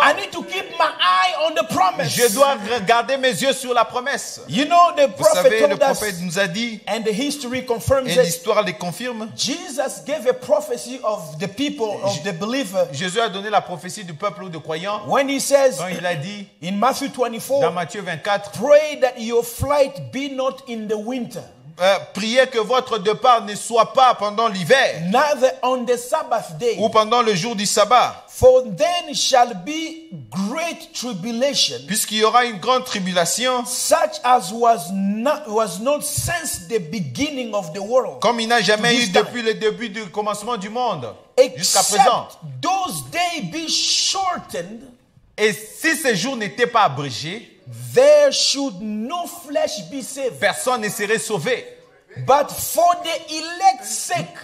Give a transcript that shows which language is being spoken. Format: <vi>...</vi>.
<en>I need to keep my eye on the promise.</en> <fr>Je dois regarder mes yeux sur la promesse.</fr> <en>You know, the prophet</en> <fr>vous savez,</fr> <en>told</en> <fr>le prophète</fr> <en>us,</en> <fr>nous a dit,</fr> <en>and the history confirms</en> <fr>et l'histoire le confirme,</fr> <en>Jesus gave a prophecy of the people, of the believer.</en> <fr>Jésus a donné la prophétie du peuple ou du croyant.</fr> <en>When he says,</en> <fr>quand il a dit,</fr> <en>in Matthew 24,</en> <fr>dans Matthieu 24,</fr> <en>pray that your flight be not in the winter.</en> <fr>Priez que votre départ ne soit pas pendant l'hiver</fr> <en>on the Sabbath day,</en> <fr>ou pendant le jour du sabbat.</fr> <en>For then shall be great tribulation,</en> <fr>puisqu'il y aura une grande tribulation</fr> <en>such as was not since the beginning of the world,</en> <fr>comme il n'a jamais eu depuis le début du commencement du monde</fr> <en>except</en> <fr>jusqu'à présent.</fr> <en>Those days be shortened,</en> <fr>et si ces jours n'étaient pas abrégés,</fr> <en>there should no flesh be saved.</en> <fr>Personne ne serait sauvé.</fr> <en>But for the elect's sake,</en>